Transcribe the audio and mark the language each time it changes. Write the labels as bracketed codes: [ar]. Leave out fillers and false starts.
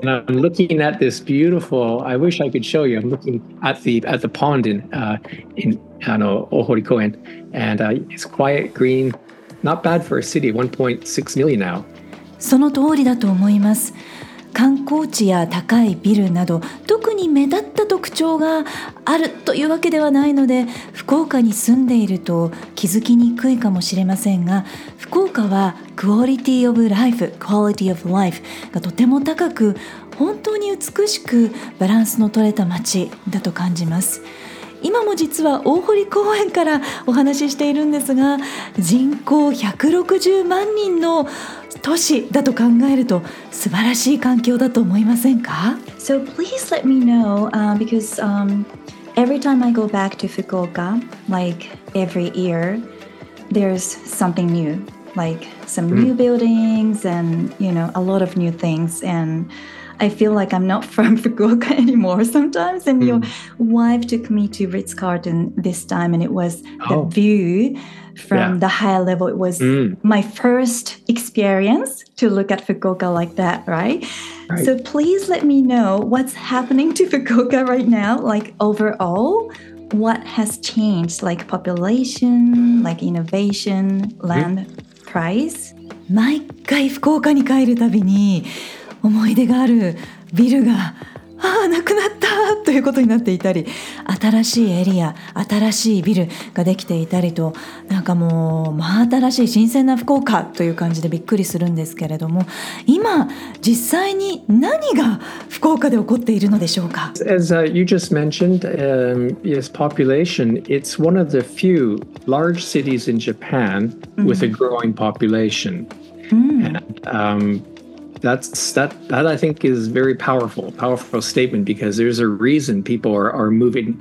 [en] And I'm looking at this beautiful, I wish I could show you. I'm looking at the pond in Ohori Koen, and it's quiet green. Not bad for a city, 1.6 million now. [ja] その通りだと思います。観光地や高いビルなど特に目立った特徴があるというわけではないので、福岡に住んでいると気づきにくいかもしれませんが、福岡はクオリティオブライフ、クオリティオブライフがとても高く、本当に美しくバランスの取れた街だと感じます。今も実は大濠公園からお話ししているんですが、人口160万人の都市だと考えると素晴らしい環境だと思いませんか? [en] So please let me know, because every time I go back to Fukuoka, like every year, there's something new, like some new buildings and, you know, a lot of new things. And I feel like I'm not from Fukuoka anymore sometimes. And your wife took me to Ritz-Carlton this time, and it was the view. From the higher level, it was my first experience to look at Fukuoka like that, right? So please let me know what's happening to Fukuoka right now, like overall, what has changed, like population, like innovation, land price. [ja] 毎回福岡に帰るたびに思い出があるビルがああなくなったということになっていたり、新しいエリア、新しいビルができていたりと、なんかもう新しい新鮮な福岡という感じでびっくりするんですけれども、今実際に何が福岡で起こっているのでしょうか。 [en] As you just mentioned, yes, population, it's one of the few large cities in Japan with a growing population. That I think is very powerful statement, because there's a reason people are moving.